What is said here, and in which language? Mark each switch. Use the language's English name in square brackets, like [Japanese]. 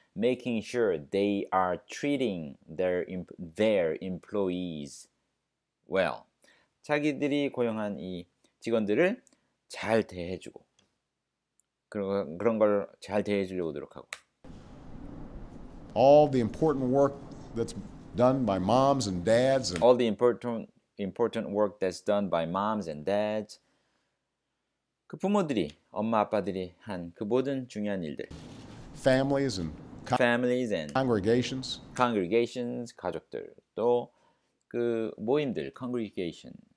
[English] Making sure they are treating their employees well. [Korean] 자기들이 고용한 이 직원들을 잘 대해주고 그런 걸 잘 대해주려고 노력하고. [English] All the important work that's done by moms and dads. And All the important work that's done by moms and dads. [Korean] 그 부모들이, 엄마 아빠들이 한 그 모든 중요한 일들. [English] Families and families and congregations. [Korean] Congregations, 가족들 또 그 모임들, congregation.